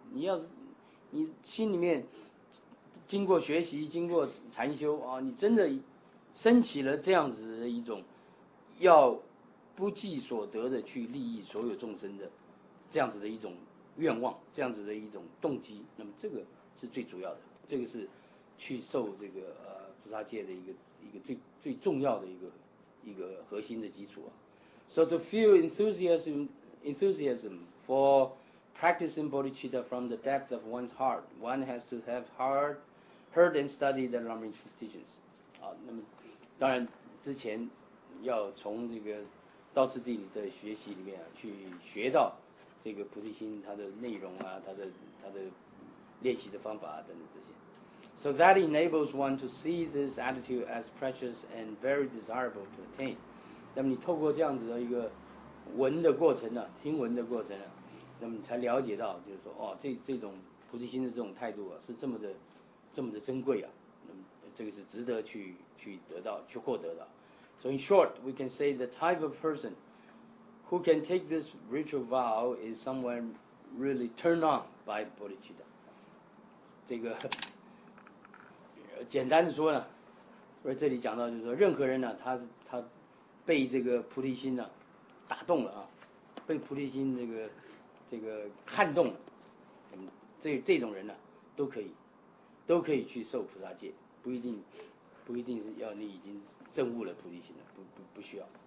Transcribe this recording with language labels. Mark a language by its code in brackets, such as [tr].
[zh] 你要你心里面经过学习，经过禅修啊，你真的升起了这样子的一种要不计所得的去利益所有众生的这样子的一种愿望，这样子的一种动机，那么这个是最主要的，这个是去受这个菩萨戒的一个最重要的一个核心的基础啊。 [en] So to feel enthusiasm for practicing bodhicitta from the depth of one's heart, one has to have heard and studied the Lama's teachings。 [zh] 啊，那么当然之前要从这个道次第里的学习里面啊，去学到这个菩提心它的内容啊，它的练习的方法啊等等这些。 [en] So that enables one to see this attitude as precious and very desirable to attain。 [zh] 那么你透过这样子的一个闻的过程啊，听闻的过程啊，那么你才了解到，就是说哦，这种菩提心的这种态度啊，是这么的珍贵啊，那么这个是值得去得到去获得的。 [en] So in short, we can say the type of person who can take this ritual vow is someone really turned on by bodhicitta。 [zh] 这个简单的说呢，所以这里讲到就是说，任何人呢，他被这个菩提心呢打动了啊，被菩提心这个撼动了，这种人呢，都可以去受菩萨戒，不一定是要你已经证悟了菩提心了，不需要。